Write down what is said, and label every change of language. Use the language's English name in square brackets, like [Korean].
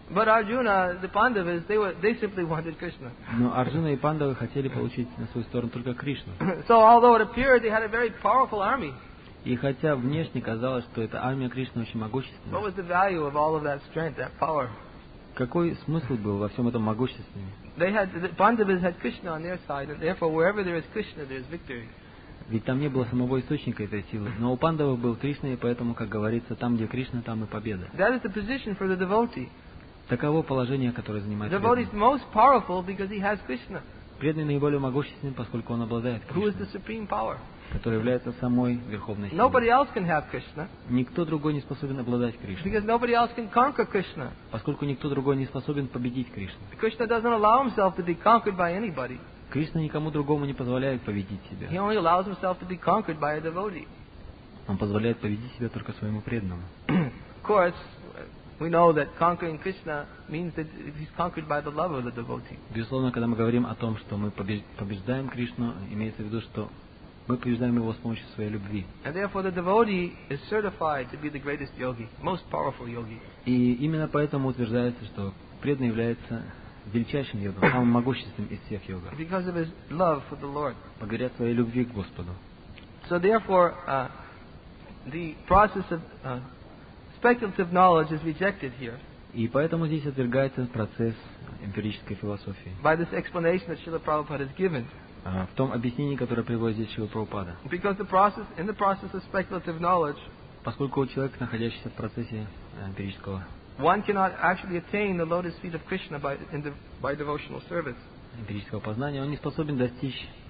[English] But Arjuna, the Pandavas, they simply wanted Krishna. [Russian] Но Арджуна и Пандавы хотели получить на свою сторону только Кришну. [English] So although it appeared they had a very powerful army, [Russian] и хотя внешне казалось, что эта армия Кришны очень могущественна, [English] what was the value of all of that strength, that power? [Russian] Какой смысл был во всем этом могуществе? [English] The Pandavas had Krishna on their side, and therefore wherever there is Krishna, there is victory. [Russian] Ведь там не было самого источника этой силы. Но у Пандавов был Кришна, и поэтому, как говорится, там, где Кришна, там и победа. [English] That is the position for the devotee. [Russian] Таково положение, которое занимает преданный. [English] The devotee is most powerful because he has Krishna. [Russian] Преданный наиболее могущественен, поскольку он обладает Кришной. [English] Who is the supreme power? [Russian] Который является самой верховной силой. [English] Nobody else can have Krishna. [Russian] Никто другой не способен обладать Кришной. [English] Because nobody else can conquer Krishna. [Russian] Поскольку никто другой не способен победить Кришну. [English] Krishna doesn't allow himself to be conquered by anybody. [Russian] Кришна никому другому не позволяет победить себя. [English] He only allows himself to be conquered by a devotee. [Russian] Он позволяет победить себя только своему преданному. [English] Of course, we know that conquering Krishna means that he's conquered by the love of the devotee. [Russian] Безусловно, когда мы говорим о том, что мы побеждаем Кришну, имеется в виду, что мы побеждаем его с помощью своей любви. [English] And therefore, the devotee is certified to be the greatest yogi, most powerful yogi. [Russian] И именно поэтому утверждается, что преданный является величайшим йогом, самым могущественным из всех йогов. [English] Because of his love for the Lord. [Russian] Благодаря своей любви к Господу. [English] So therefore, the process of speculative knowledge is rejected here. [Russian] И поэтому здесь отвергается процесс эмпирической философии. [English] By this explanation that Srila Prabhupada has given. [Russian] В том объяснении, которое приводит здесь Шрила Прабхупада. [English] Because in the process of speculative knowledge. [Russian] Поскольку у человека, находящегося в процессе эмпирического. [English] One cannot actually attain the lotus feet of Krishna by devotional service. [Russian] Эмпирического познания он не способен достичь.